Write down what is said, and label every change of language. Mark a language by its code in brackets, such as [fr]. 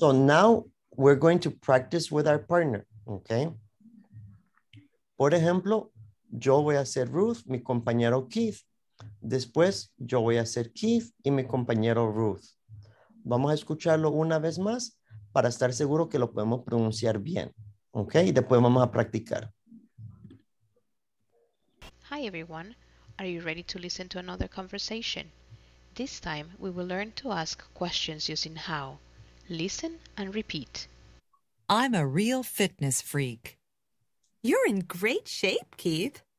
[en] So now we're going to practice with our partner, okay? [es] Por ejemplo, yo voy a ser Ruth, mi compañero Keith. Después, yo voy a ser Keith y mi compañero Ruth. Vamos a escucharlo una vez más para estar seguro que lo podemos pronunciar bien, okay? Y después vamos a practicar. [en] Hi, everyone. Are you ready to listen to another conversation? This time, we will learn to ask questions using how. Listen and repeat. I'm a real fitness freak. You're in great shape, Keith.